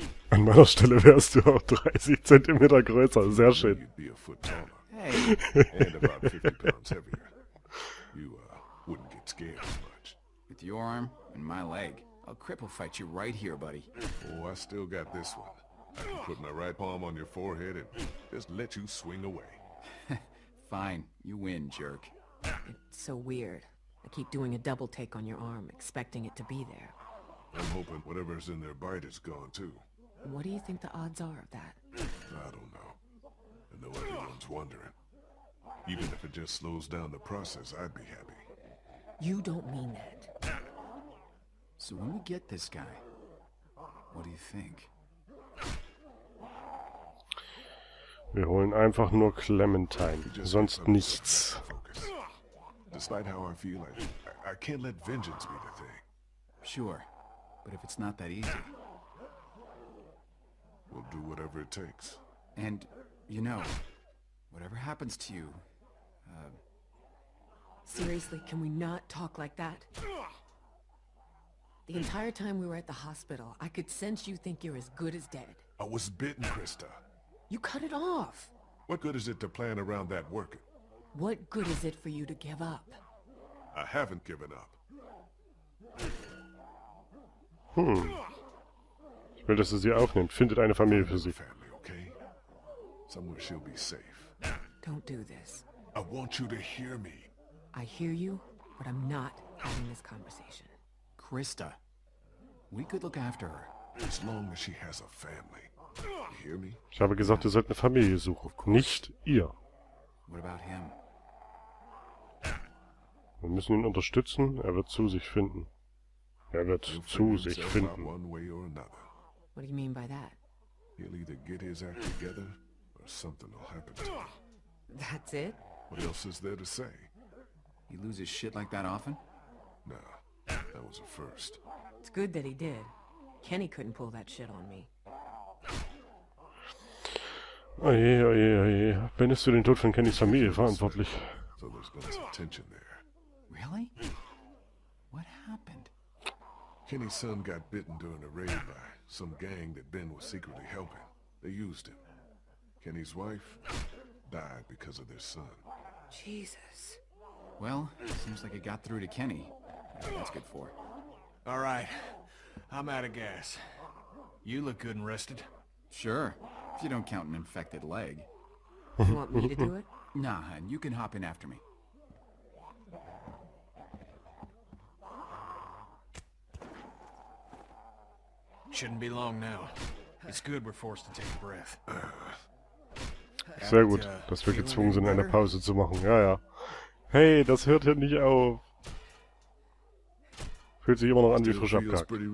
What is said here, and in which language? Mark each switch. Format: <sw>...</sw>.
<de>An meiner Stelle wärst du auch 30 Zentimeter größer. Sehr schön.</de> <en>You'd be a foot taller. And about 50 pounds heavier. You, wouldn't get scared as much. With your arm and my leg, I'll cripple fight you right here, buddy. Oh, I still got this one. I can put my right palm on your forehead and just let you swing away. Fine. You win, jerk. It's so weird. I keep doing a double take on your arm, expecting it to be there. I'm hoping whatever's in their bite is gone too. What do you think the odds are of that? I don't know. I know everyone's wondering. Even if it just slows down the process, I'd be happy. You don't mean that. So when we get this guy, what do you think?</en> <de>Wir holen einfach nur Clementine, sonst nichts.</de> <en>Despite how I feel, I can't let vengeance be the thing. Sure, but if it's not that easy. We'll do whatever it takes. And, you know, whatever happens to you, Seriously, can we not talk like that? The entire time we were at the hospital, I could sense you think you're as good as dead. I was bitten, Krista. You cut it off. What good is it to plan around that working? What good is it for you to give up? I haven't given up.</en> <de>Ich will, dass er sie aufnimmt. Findet eine Familie für sie.</de> <en>Family, okay? Somewhere she'll be safe. Don't do this. I want you to hear me. I hear you, but I'm not having this conversation. Krista, we could look after her. As long as she has a family. You hear me?</en> <de>Ich habe gesagt, ihr sollt eine Familie suchen, nicht ihr.</de> <en>What about him?</en> <de>Wir müssen ihn unterstützen, er wird zu sich finden. Er wird zu sich finden.</de> <en>One way or another. What do you mean by that? He'll either get his act together, or something will happen to him. That's it? What else is there to say? He loses shit like that often? No, that was a first. It's good that he did. Kenny couldn't pull that shit on me.</en> <de>Oje, oje, oje. Ben ist für den Tod von Kennys Familie verantwortlich.</de> <en>So there's been some tension there. Really? What happened? Kenny's son got bitten during a raid by some gang that Ben was secretly helping. They used him. Kenny's wife died because of their son. Jesus. Well, seems like it got through to Kenny. That's good for. All right. I'm out of gas. You look good and rested. Sure. If you don't count an infected leg. You want me to do it? Nah, hon. You can hop in after me. Shouldn't be long now. It's good we're forced to take a breath.</en> <de>Sehr gut, dass wir gezwungen sind, eine Pause zu machen. Ja, ja. Hey, das hört hier nicht auf. Fühlt sich immer noch an wie frisch abgehackt.</de>